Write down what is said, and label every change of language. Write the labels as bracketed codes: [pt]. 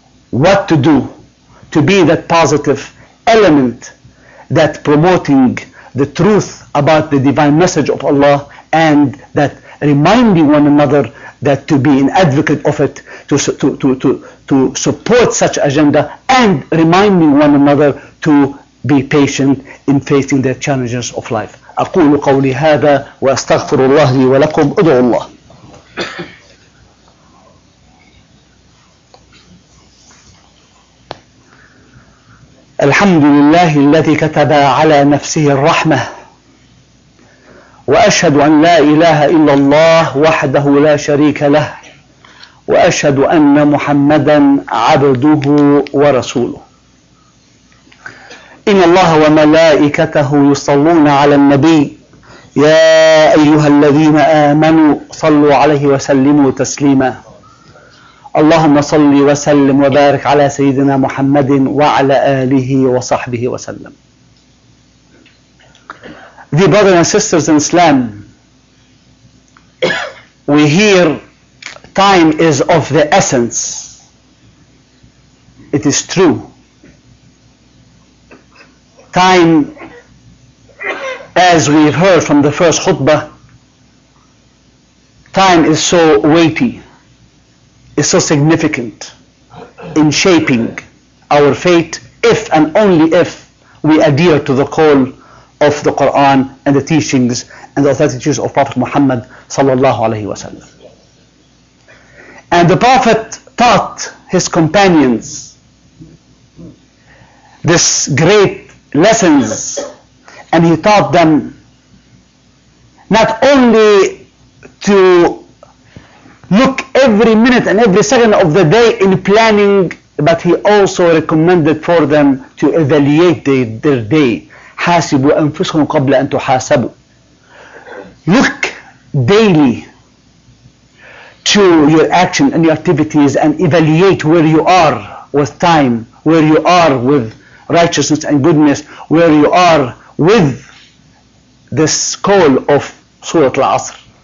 [en] what to do to be that positive element that promoting the truth about the divine message of Allah, and that reminding one another that to be an advocate of it, to support such agenda, and reminding one another to be patient in facing the challenges of life. [ar] أقول قولي هذا وأستغفر الله لي ولكم أدعو الله. الحمد لله الذي كتب على نفسه الرحمة وأشهد أن لا إله إلا الله وحده لا شريك له وأشهد أن محمداً عبده ورسوله. إن الله وملائكته يصلون على النبي يا أيها الذين آمنوا صلوا عليه وسلموا تسليما. اللهم صل وسلم وبارك على سيدنا محمد وعلى آله وصحبه وسلم. [en] The brothers and sisters in Islam, we hear time is of the essence. It is true. Time, as we've heard from the first khutbah, time is so weighty, is so significant in shaping our fate if and only if we adhere to the call of the Quran and the teachings and the authorities of Prophet Muhammad sallallahu alaihi wasallam. And the Prophet taught his companions this great lessons, and he taught them not only to look every minute and every second of the day in planning, but he also recommended for them to evaluate their day. [ar] حاسبوا أنفسكم قبل أن تحاسبوا. [en] Look daily to your action and your activities and evaluate where you are with time, where you are with righteousness and goodness, where you are with this call of Surah Al-Asr.